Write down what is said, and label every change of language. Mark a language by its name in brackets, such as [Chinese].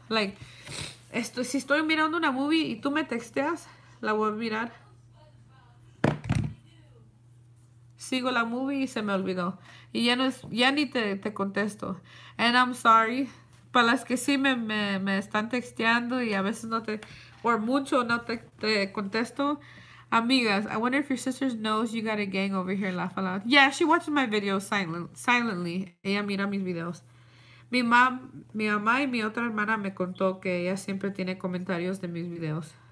[English] Like, [Spanish] si estoy mirando una movie y tú me texteas, la voy a mirar. Sigo la movie y se me olvidó. Y ya, ni te contesto. [English] And I'm sorry. [Spanish] Para las que sí me están texteando y a veces no te... [English] Or [Spanish] mucho no te contesto. [English] Amigas, I wonder if your sister knows you got a gang over here. Laugh aloud. Yeah, she watches my videos silently. [Spanish] Ella mira mis videos. Mi mamá y mi otra hermana me contó que ella siempre tiene comentarios de mis videos.